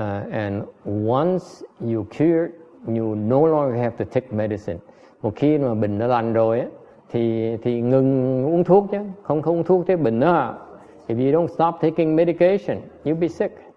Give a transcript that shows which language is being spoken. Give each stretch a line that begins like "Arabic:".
English: And once you cured, you no longer have to take medicine.
Vietnamese: Một khi mà bệnh nó lành rồi á, thì ngừng uống thuốc chứ, không uống thuốc tới bệnh nữa.
English: If you don't stop taking medication, you'll be sick.